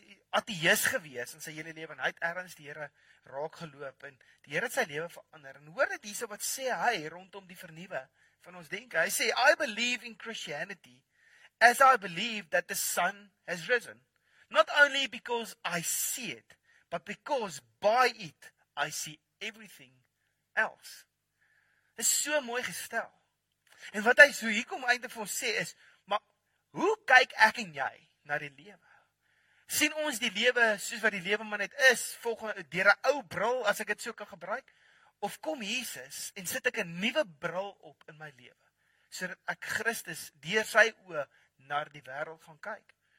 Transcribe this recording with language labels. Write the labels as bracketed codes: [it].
[af] ateïs gewees in sy hele lewe, en hy het ergens die Here raak geloop, en die Here het sy lewe verander, en hoor dit hierso wat sê hy rondom die vernuwe, van ons denke, hy sê, [en] I believe in Christianity as I believe that the sun has risen. Not only because I see it, but because by it I see everything else. [af] Dit is so mooi gestel. En wat hy so hier kom einde vir ons sê is, maar hoe kyk ek en jy na die lewe? Sien ons die lewe soos wat die lewe maar net is, volgens deur 'n ou bril, as ek dit so kan gebruik? Of kom Jesus en sit ek 'n nuwe bril op in my lewe, sodat ek Christus deur sy oë na die wêreld gaan kyk.